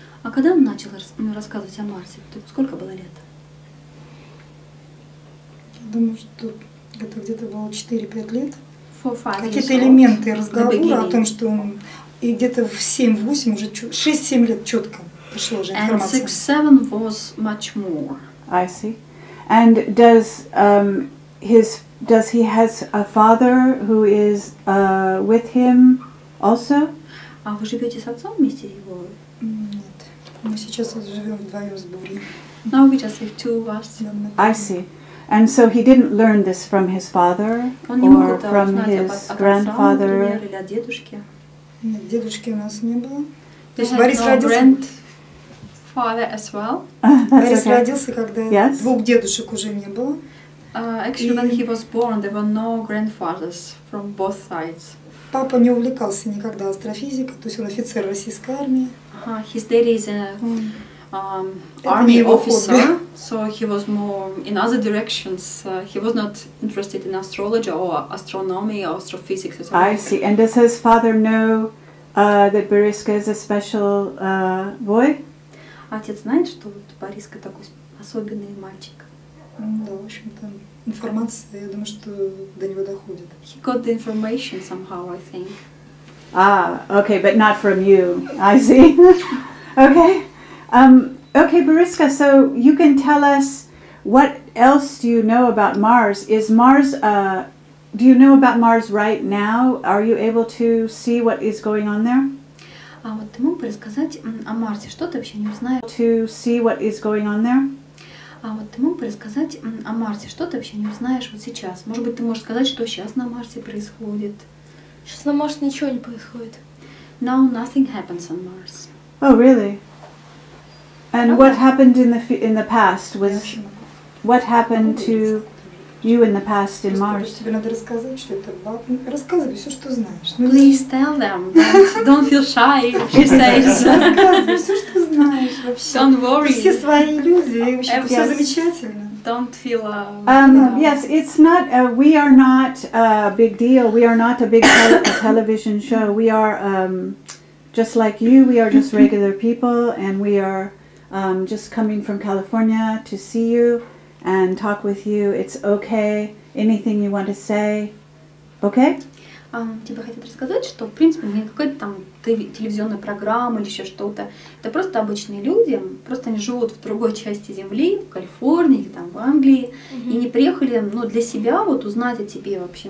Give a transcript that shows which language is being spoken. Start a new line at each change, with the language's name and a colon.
Russian: А когда он начал рассказывать о Марсе, то сколько было лет? Думаю, что это где-то было 4-5 лет. Какие-то элементы разговора о том, что он... И где-то в 7-8, уже 6-7 лет четко пришла уже информация.
English: And 6-7 was much more. I see. And does he has a father who is with him also?
Russian: А вы живете с отцом вместе его? Нет. Мы сейчас живем вдвоем с Бори.
English: Now we just have two of us. I see. And so he didn't learn this from his father or from his grandfather.
Russian: Нет, дедушки у нас не было. То есть Борис родился.
English: Grandfather as well.
Russian: Борис родился, когда двух дедушек уже не было.
English: Actually, when he was born, there were no grandfathers from both sides.
Russian: Папа не увлекался никогда астрофизикой, то есть он офицер российской армии.
English: His daddy is a army officer, so he was more in other directions. He was not interested in astrology or astronomy or astrophysics. Or I see. And does his father know that Boriska is a special boy?
Russian: Отец знает, что Бориска такой особенный мальчик. Да, в общем-то, информация, я думаю, что до него доходит.
English: He got the information somehow, I think. Ah, okay, but not from you. I see. Okay. Okay, Boriska, so you can tell us what else do you know about Mars? Is Mars, do you know about Mars right now? Are you able to see what is going on there?
Russian: А вот ты мог бы рассказать о Марсе? Что ты вообще не знаешь?
English: To see what is going on there?
Russian: А вот ты мог бы рассказать о Марсе? Что ты вообще не знаешь вот сейчас? Может быть, ты можешь сказать, что сейчас на Марсе происходит? Сейчас на Марсе ничего не происходит.
English: Now nothing happens on Mars. Oh, really? And okay. What happened in the past was... What happened to you in the past in Mars?
Russian: Тебе надо рассказать, что это... Рассказывай все, что знаешь.
English: Please tell them. Don't feel shy, she says.
Russian: Рассказывай все, что знаешь вообще.
English: Don't worry.
Russian: Все свои иллюзии, вообще все замечательно.
English: Don't feel Yes, it's not we are not a big deal. We are not a big television show. We are just like you. We are just regular people, and we are just coming from California to see you and talk with you. It's okay. Anything you want to say. Okay?
Russian: Тебе хотят рассказать, что в принципе не какая-то там телевизионная программа или еще что-то. Это просто обычные люди, просто они живут в другой части Земли, в Калифорнии или там в Англии, mm-hmm. и не приехали, ну, для себя вот узнать о тебе вообще.